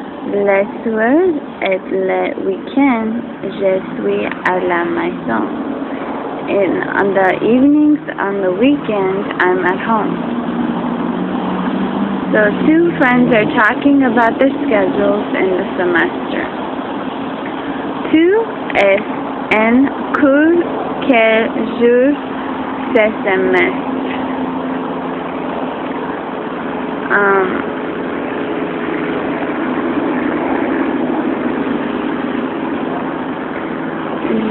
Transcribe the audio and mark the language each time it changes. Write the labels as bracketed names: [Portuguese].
[French] Le soir et le week-end, je suis à la maison. [English] On the evenings, on the weekend, I'm at home. So two friends are talking about their schedules in the semester. [French] Tu es en cours quel jour ce semestre?